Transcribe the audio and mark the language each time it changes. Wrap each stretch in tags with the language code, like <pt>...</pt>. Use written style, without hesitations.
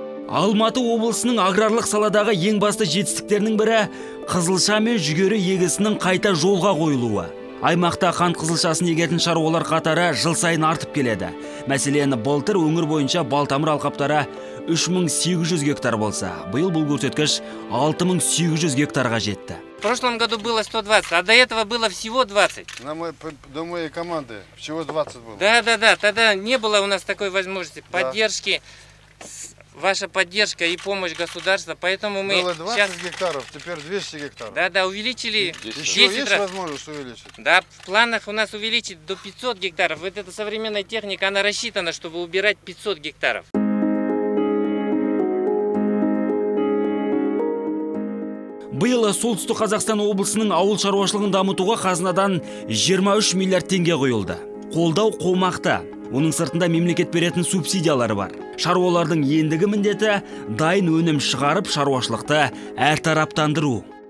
<kk>Алматы облысының аграрлық саладағы ең басты жетістіктерінің бірі қызылша мен жүгері егісінің қайта жолға қойылуы. Аймақта қант қызылшасын егетін шаруалар қатары жыл сайын артып келеді. Мәселен, былтыр өңір бойынша балтамыр алқаптары 3800 гектар болса, биыл бұл көрсеткіш 6800 гектарға жетті.</kk> <ru>В прошлом году было 120, а до этого было всего 20. До моей команды всего 20 было. Да, тогда не было у нас такой возможности поддержки. Ваша поддержка и помощь государства, поэтому мы сейчас... Было 20 гектаров, теперь 200 гектаров. Да, увеличили. Еще есть возможность увеличить? Да, в планах у нас увеличить до 500 гектаров. Вот эта современная техника, она рассчитана, чтобы убирать 500 гектаров.</ru> <kk>Биыл солтүстік Қазақстан облысының ауыл шаруашылығын дамытуға қазынадан 23 миллиард теңге қойылды. Қолдау қомақты. Оның сыртында мемлекет беретін субсидиялар бар. Шаруалардың ендігі міндеті дайын өнім шығарып, шаруашылықты әртараптандыру.</kk>